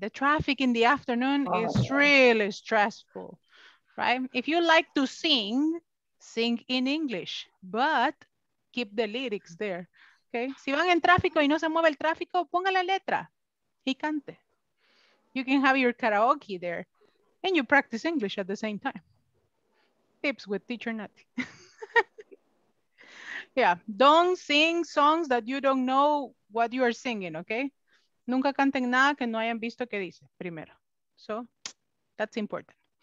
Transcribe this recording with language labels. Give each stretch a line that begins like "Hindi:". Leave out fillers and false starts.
English: The traffic in the afternoon is really stressful, right? If you like to sing, sing in English, but keep the lyrics there, okay?
Spanish: Si van en tráfico y no se mueve el tráfico, ponga la letra y cante.
English: You can have your karaoke there and you practice English at the same time. Tips with Teacher Nati. Yeah, don't sing songs that you don't know what you are singing, okay?
Spanish: Nunca canten nada que no hayan visto que dice primero.
English: So, that's important.